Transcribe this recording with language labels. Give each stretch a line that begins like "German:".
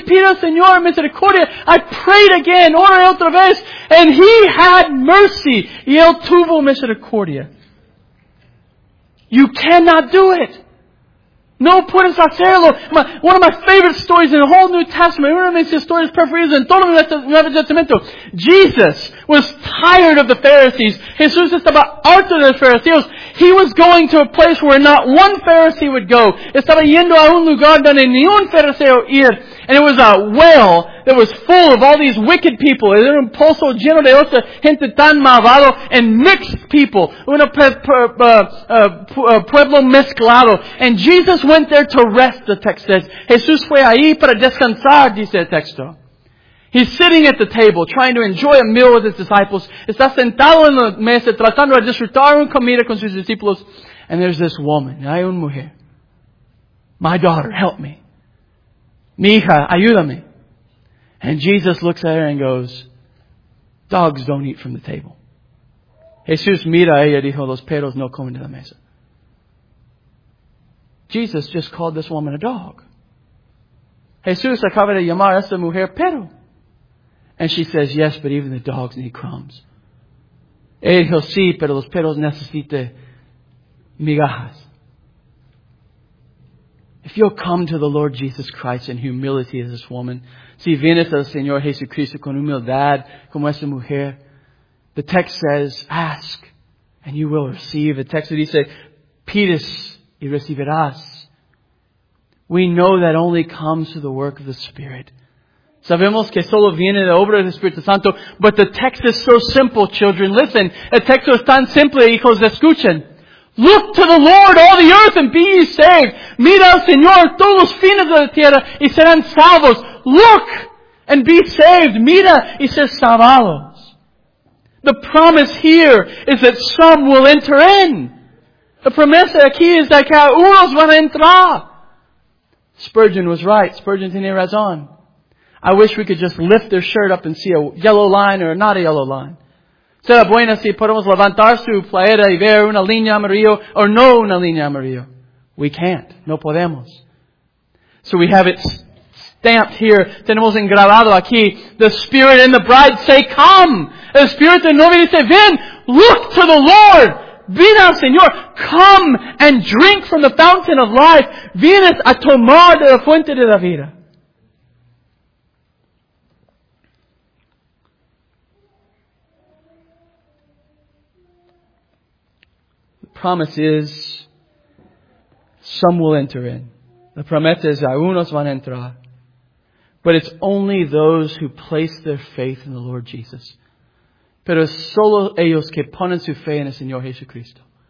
Spanish: Pido Señor misericordia.
English: I prayed again.
Spanish: Ora otra vez.
English: And He had mercy.
Spanish: Y Él tuvo misericordia.
English: You cannot do it.
Spanish: No puedes hacerlo.
English: One of my favorite stories in the whole New Testament.
Spanish: Una de mis historias preferidas en todo el Nuevo Testamento.
English: Jesus was tired of the Pharisees.
Spanish: Jesús estaba harto de los fariseos.
English: He was going to a place where not one Pharisee would go.
Spanish: Estaba yendo a un lugar donde ni un fariseo ir.
English: And it was a well that was full of all these wicked people.
Spanish: Era un pozo lleno de otra gente tan malvado
English: and mixed people.
Spanish: Un pueblo mezclado.
English: And Jesus went there to rest, the text says.
Spanish: Jesús fue ahí para descansar, dice el texto.
English: He's sitting at the table trying to enjoy a meal with his disciples.
Spanish: Está sentado en la mesa tratando de disfrutar una comida con sus discípulos.
English: And there's this woman.
Spanish: Hay una mujer.
English: My daughter, help me.
Spanish: Mi hija, ayúdame.
English: And Jesus looks at her and goes, dogs don't eat from the table.
Spanish: Jesús mira a ella y dijo, los perros no comen de la mesa.
English: Jesus just called this woman a dog.
Spanish: Jesús acaba de llamar a esta mujer perro.
English: And she says, yes, but even the dogs need crumbs.
Spanish: Ella dijo, sí, pero los perros necesitan migajas.
English: If you'll come to the Lord Jesus Christ in humility as this woman,
Spanish: si vienes al Señor Jesucristo con humildad como esta mujer,
English: the text says, ask and you will receive. The text would say,
Spanish: pides y recibirás.
English: We know that only comes through the work of the Spirit.
Spanish: Sabemos que solo viene de obra del Espíritu Santo,
English: but the text is so simple, children. Listen,
Spanish: el texto es tan simple, hijos, escuchen.
English: Look to the Lord, all the earth, and be ye saved.
Spanish: Mira al Señor, todos los fines de la tierra, y serán salvos.
English: Look, and be saved.
Spanish: Mira, y ser salvados.
English: The promise here is that some will enter in.
Spanish: The promesa aquí es de que unos van a entrar.
English: Spurgeon was right.
Spanish: Spurgeon tenía razón.
English: I wish we could just lift their shirt up and see a yellow line or not a yellow line.
Spanish: Será buena si podemos levantar su playera y ver una línea amarilla o no una línea amarilla.
English: We can't.
Spanish: No podemos.
English: So we have it stamped here.
Spanish: Tenemos engravado aquí.
English: The Spirit and the Bride say, come.
Spanish: El Espíritu y el Novio dice, ven.
English: Look to the Lord.
Spanish: Ven al Señor.
English: Come and drink from the fountain of life.
Spanish: Vienes a tomar de la fuente de la vida.
English: Promise is, some will enter in.
Spanish: The promesa es, algunos van a entrar.
English: But it's only those who place their faith in the Lord Jesus.
Spanish: Pero es solo ellos que ponen su fe en el Señor Jesucristo.